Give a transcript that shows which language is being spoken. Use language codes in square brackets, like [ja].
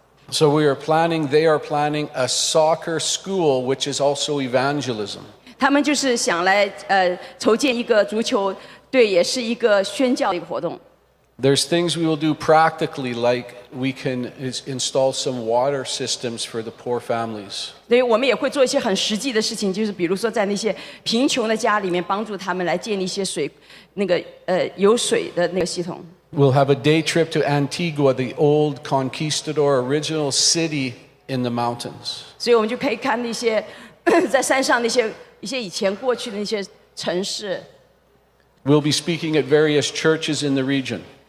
[en] So we are planning, they are planning a soccer school, which is also evangelism. [zh] 他们就是想来筹建一个足球队，也是一个宣教的一个活动。 [en] There's things we will do practically, like we can install some water systems for the poor families. [zh] 对，我们也会做一些很实际的事情，就是比如说在那些贫穷的家里面，帮助他们来建立一些水，那个有水的那个系统。 [en] We'll have a day trip to Antigua, the old conquistador original city in the mountains. [zh] 所以我们就可以看那些 在山上那些以前过去的那些城市。 [en] We'll be speaking at various churches in the region.